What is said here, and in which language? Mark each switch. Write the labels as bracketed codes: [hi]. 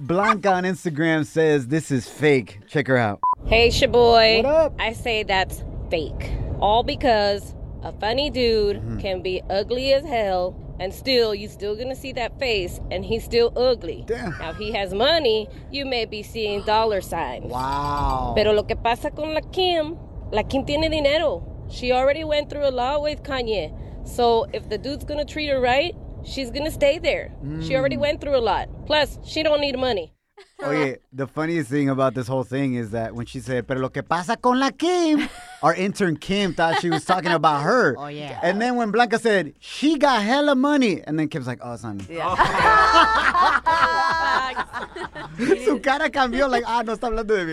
[en] Blanca on Instagram says this is fake. Check her out. Hey, Shaboy. What up? I say that's fake. All because a funny dude can be ugly as hell and still, you're still going to see that face and he's still ugly. Damn. Now, if he has money, you may be seeing dollar signs. Wow. [es] Pero lo que pasa con la Kim tiene dinero. [en] She already went through a lot with Kanye. So if the dude's going to treat her right, she's going to stay there. Mm. She already went through a lot. Plus, she don't need money. Okay, the funniest thing about this whole thing is that when she said, [es] pero lo que pasa con la Kim, [en] our intern Kim thought she was talking about her. Oh, yeah. And then when Blanca said, she got hella money, and then Kim's like, oh, son. Yeah. [es] Su cara cambió, like, ah, no está hablando de mí.